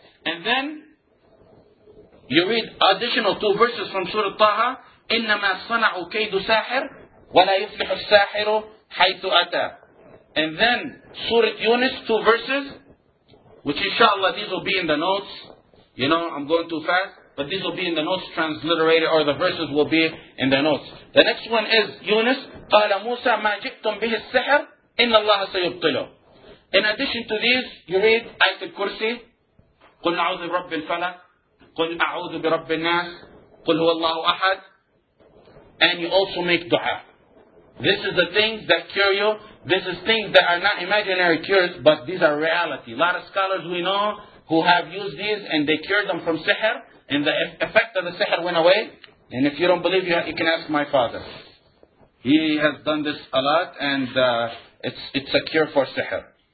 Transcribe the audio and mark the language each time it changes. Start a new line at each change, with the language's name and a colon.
English: And then, you read additional two verses from Surah Taha,
Arabic: إِنَّمَا صَنَعُوا كَيْدُ سَاحِرُ وَلَا يُفْلِحُ السَّاحِرُ حَيْثُ أَتَى.
English: And then, Surah Yunus, two verses, which inshallah, these will be in the notes. You know, I'm going too fast, but these will be in the notes, transliterated, or the verses will be in the notes. The next one is Yunus,
Arabic: قَالَ مُوسَى مَا جِئْتُمْ بِهِ السَّحِرُ إِنَّ اللَّهَ سَيُبْطِلُ.
English: In addition to these, you read Ayat al-Kursi,
Arabic: قُلْ أَعُوذُ بِرَبِّ الْفَلَقِ قُلْ أَعُوذُ بِرَبِّ النَّاسِ قُلْ هُوَ اللَّهُ أَحَدٌ.
English: And you also make dua. This is the things that cure you. This is things that are not imaginary cures, but these are reality. A lot of scholars we know who have used these and they cured them from sihr, and the effect of the sihr went away. And if you don't believe, you can ask my father. He has done this a lot, and it's a cure for sihr.